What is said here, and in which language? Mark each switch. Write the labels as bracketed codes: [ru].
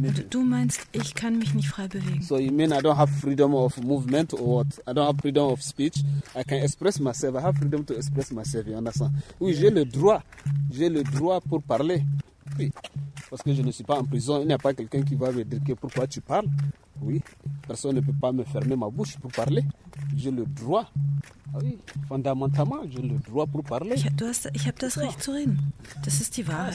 [de] Du meinst, ich kann mich nicht frei bewegen. [en] So you mean I don't have freedom of movement or what? I don't have freedom of speech. I can express myself. I have freedom to express myself, you understand? [fr] Oui, yeah. J'ai le droit pour parler. Oui. Parce que je ne suis pas en prison. Il n'y a pas quelqu'un qui va me dire que pourquoi tu parles. Oui. Personne ne peut pas me fermer ma bouche pour parler. J'ai le droit. Oui. Fondamentalement, j'ai le droit pour parler. [de] Ich habe das Recht zu reden. Das ist die Wahrheit.